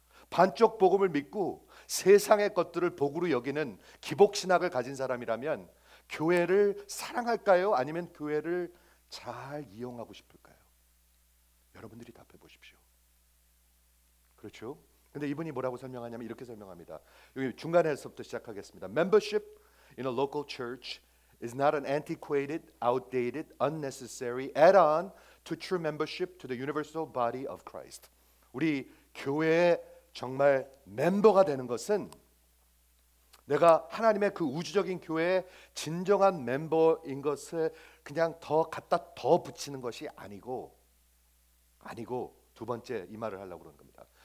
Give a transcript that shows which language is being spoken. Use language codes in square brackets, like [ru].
[ko] 반쪽 복음을 믿고 세상의 것들을 복으로 여기는 기복 신학을 가진 사람이라면 교회를 사랑할까요? 아니면 교회를 잘 이용하고 싶을까요? 여러분들이 답해 보십시오. 그렇죠? 근데 이분이 뭐라고 설명하냐면 이렇게 설명합니다. 여기 중간에서부터 시작하겠습니다. [en] Membership in a local church is not an antiquated, outdated, unnecessary add-on to true membership to the universal body of Christ. [ko] 우리 교회의 정말 멤버가 되는 것은 내가 하나님의 그 우주적인 교회의 진정한 멤버인 것을 그냥 더 갖다 더 붙이는 것이 아니고 두 번째 이 말을 하려고 그러는 겁니다.